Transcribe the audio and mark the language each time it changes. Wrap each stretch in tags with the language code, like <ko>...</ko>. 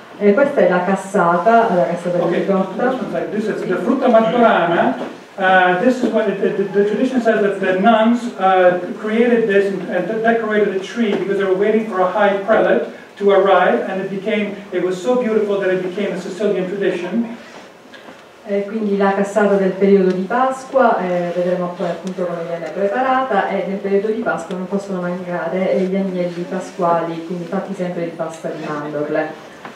<it>E questa è la cassata, la cassata di ricotta.</it> <en>Okay. This is the frutta martorana. This is what the tradition says that the nuns created this and decorated a tree because they were waiting for a high prelate to arrive, and it was so beautiful that it became a Sicilian tradition.</en> <it>Quindi la cassata del periodo di Pasqua, vedremo poi appunto come viene preparata, e nel periodo di Pasqua non possono mancare gli agnelli pasquali, quindi fatti sempre di pasta di mandorle.</it>